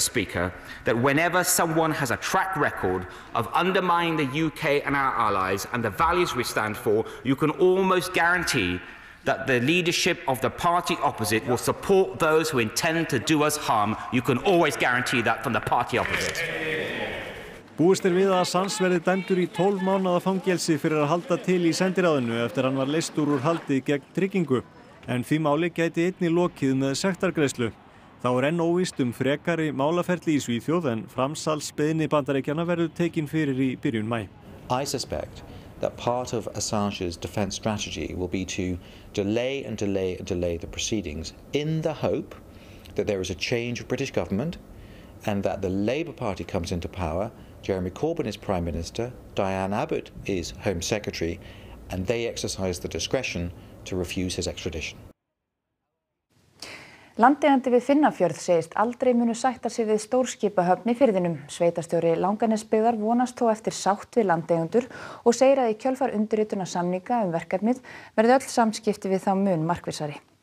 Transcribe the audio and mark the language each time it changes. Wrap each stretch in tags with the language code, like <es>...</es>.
<en>Speaker, that whenever someone has a track record of undermining the UK and our allies and the values we stand for, you can almost guarantee that the leadership of the party opposite will support those who intend to do us harm. You can always guarantee that from the party opposite.</en> <is>Búist er við að Assange verði dæmdur í 12 mánaða fangelsi fyrir að halda til í sendiráðinu eftir að hann var leystur úr haldi gegn tryggingu. En því máli gæti einnig lokið með sektargreiðslu. Þá enn óvíst frekari málaferli í Svíþjóð en framsalsbeiðni Bandaríkjanna verður tekin fyrir í byrjun maí.</is> <en>I suspect that part of Assange's defense strategy will be to delay and delay and delay the proceedings in the hope that there is a change of British government and that the Labour Party comes into power, Jeremy Corbyn is Prime Minister, Diane Abbott is Home Secretary, and they exercise the discretion to refuse his extradition.</en> <is>Landeigandi við Finnafjörð segist aldrei munu sætta sig við stórskipahöfn í firðinum. Sveitarstjóri Langanesbyggðar vonast þó eftir sátt við landeigendur og segir að í kjölfar undirritunar samninga verkefnið verði öll samskipti við þá mun markvissari.</is>